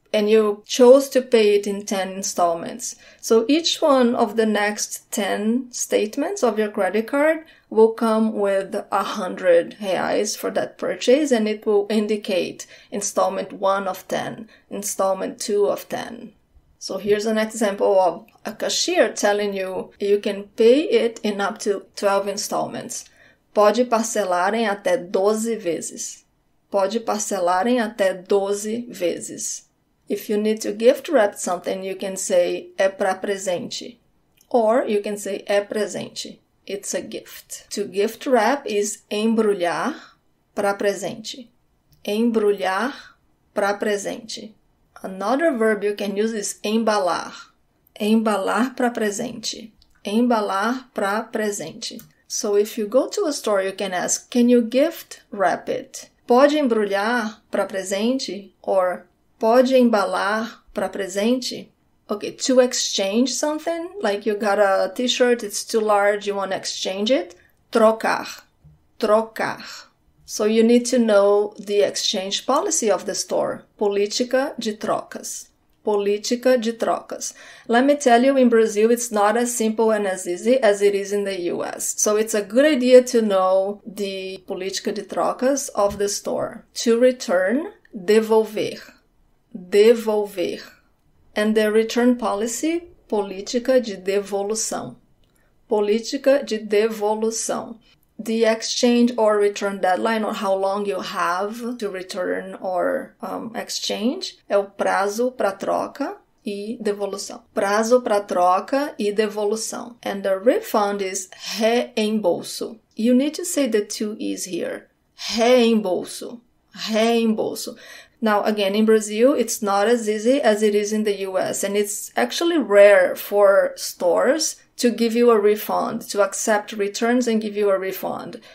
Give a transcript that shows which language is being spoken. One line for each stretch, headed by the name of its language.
English: and you chose to pay it in 10 installments. So each one of the next 10 statements of your credit card will come with 100 reais for that purchase, and it will indicate installment 1 of 10, installment 2 of 10. So here's an example of a cashier telling you you can pay it in up to 12 installments.
Portuguese: Pode parcelar em até 12 vezes. Pode parcelar em até 12 vezes.
English: If you need to gift wrap something, you can say
Portuguese: é para presente.
English: Or you can say
Portuguese: é presente.
English: It's a gift. To gift wrap is
Portuguese: embrulhar para presente. Embrulhar para presente.
English: Another verb you can use is embalar.
Portuguese: Embalar para presente. Embalar para presente.
English: So if you go to a store, you can ask, can you gift wrap it?
Portuguese: Pode embrulhar para presente? Or pode embalar para presente?
English: Okay, to exchange something, like you got a t-shirt, it's too large, you want to exchange it. Trocar. Trocar. So you need to know the exchange policy of the store.
Portuguese: Política de trocas. Política de trocas.
English: Let me tell you, in Brazil, it's not as simple and as easy as it is in the US. So it's a good idea to know the política de trocas of the store. To return, devolver. Devolver. And the return policy, política de devolução. Política de devolução. The exchange or return deadline, or how long you have to return or exchange,
Portuguese: é o prazo para troca e devolução. Prazo para troca e devolução.
English: And the refund is reembolso. You need to say the two E's here. Reembolso. Reembolso. Now, again, in Brazil, it's not as easy as it is in the US. And it's actually rare for stores to give you a refund, to accept returns and give you a refund.